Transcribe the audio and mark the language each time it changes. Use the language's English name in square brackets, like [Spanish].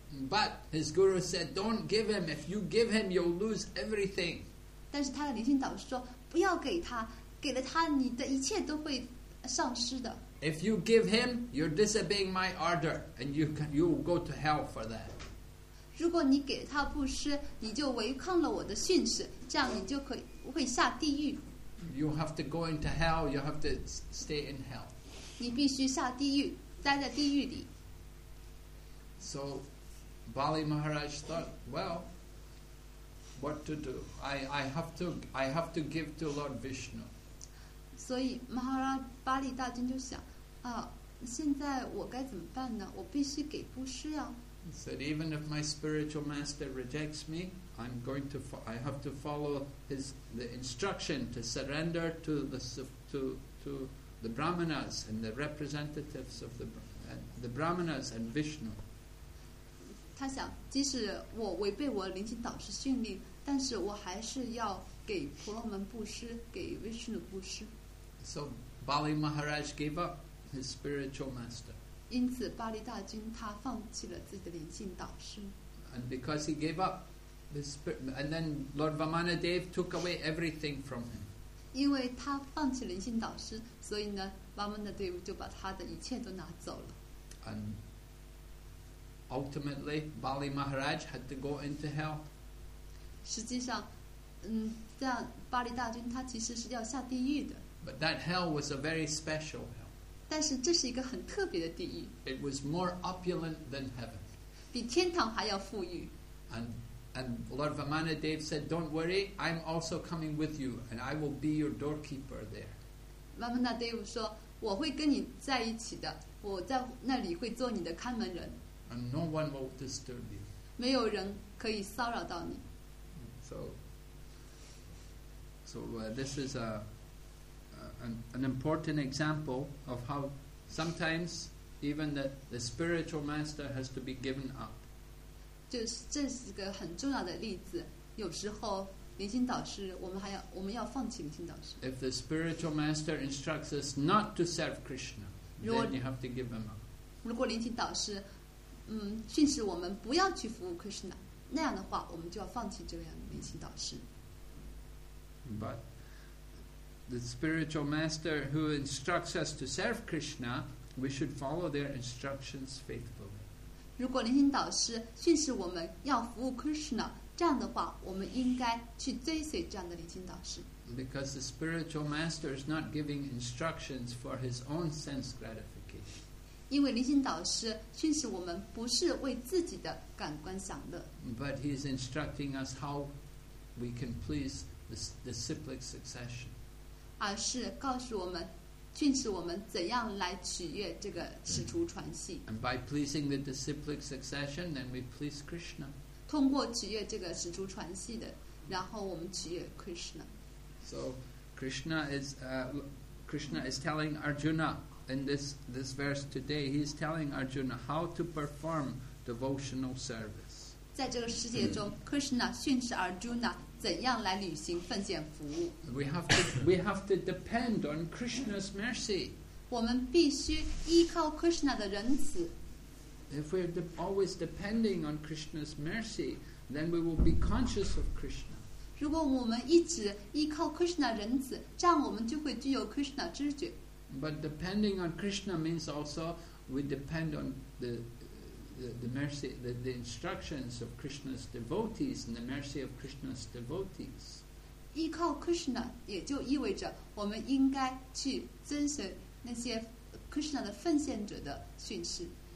[English] But his guru said, "Don't give him. If you give him, you'll lose everything." [Chinese] 但是他的灵性导师说，不要给他，给了他，你的一切都会丧失的。 [English] If you give him, you're disobeying my order, and you will go to hell for that. [Chinese] 如果你给他布施，你就违抗了我的训示，这样你就可以会下地狱。 [English] You have to go into hell. You have to stay in hell. [Chinese] 你必须下地狱，待在地狱里。 [English] So, Bali Maharaj thought, well, what to do? I have to give to Lord Vishnu. [Chinese] 所以 Maharaj Bali 大君就想啊，现在我该怎么办呢？我必须给布施呀。 [English] He said, even if my spiritual master rejects me. I have to follow the instruction to surrender to the Brahmanas and the representatives of the Brahmanas and Vishnu. [Chinese] 他想，即使我违背我灵性导师训令，但是我还是要给婆罗门布施，给 Vishnu 布施。 [English] So Bali Maharaj gave up his spiritual master. [Chinese] 因此，巴利大君他放弃了自己的灵性导师。 [English] And because he gave up. And then Lord Vamanadeva took away everything from him. [Chinese] 因为他放弃灵性导师，所以呢 ，Vamanadeva 就把他的一切都拿走了。 [English] And ultimately, Bali Maharaj had to go into hell. [Chinese] 实际上，这样巴利大君他其实是要下地狱的。 [English] But that hell was a very special hell. [Chinese] 但是这是一个很特别的地狱。 [English] It was more opulent than heaven. [Chinese] 比天堂还要富裕。 [English] And Lord Vamanadeva said, "Don't worry, I'm also coming with you, and I will be your doorkeeper there." [Chinese] Vamanadeva 说，我会跟你在一起的，我在那里会做你的看门人。 [English] And no one will disturb you. [Chinese] 没有人可以骚扰到你。 [English] So this is an important example of how sometimes even the spiritual master has to be given up. [Chinese] 就是这是一个很重要的例子。有时候灵性导师，我们要放弃灵性导师。 [English] If the spiritual master instructs us not to serve Krishna, then you have to give him up. [Chinese] 如果灵性导师，训示我们不要去服务 Krishna, 那样的话，我们就要放弃这样的灵性导师。 [English] But the spiritual master who instructs us to serve Krishna, we should follow their instructions faithfully. [Chinese] 如果灵性导师训示我们要服务 Krishna, 这样的话，我们应该去追随这样的灵性导师。 [English] Because the spiritual master is not giving instructions for his own sense gratification. [Chinese] 因为灵性导师训示我们不是为自己的感官享乐。 [English] But he is instructing us how we can please the cyclic succession. [Chinese] 而是告诉我们训示我们怎样来取悦这个使徒传系。 [English] And by pleasing the disciplic succession, then we please Krishna. [Chinese] 通过取悦这个使徒传系的，然后我们取悦 Krishna. [English] So Krishna is telling Arjuna in this verse today, he's telling Arjuna how to perform devotional service. [Chinese] 在这个世界中Krishna 训示 Arjuna怎样来履行奉献服务。 [English] We have to depend on Krishna's mercy. [Chinese] 我们必须依靠 Krishna 的仁慈。 [English] If we're always depending on Krishna's mercy, then we will be conscious of Krishna. [Chinese] 如果我们一直依靠 Krishna 仁慈，这样我们就会具有 Krishna 知觉。 [English] But depending on Krishna means also we depend on the mercy, the instructions of Krishna's devotees and the mercy of Krishna's devotees. [Chinese] 依靠 Krishna 也就意味着我们应该去遵守那些 Krishna 的奉献者的训示。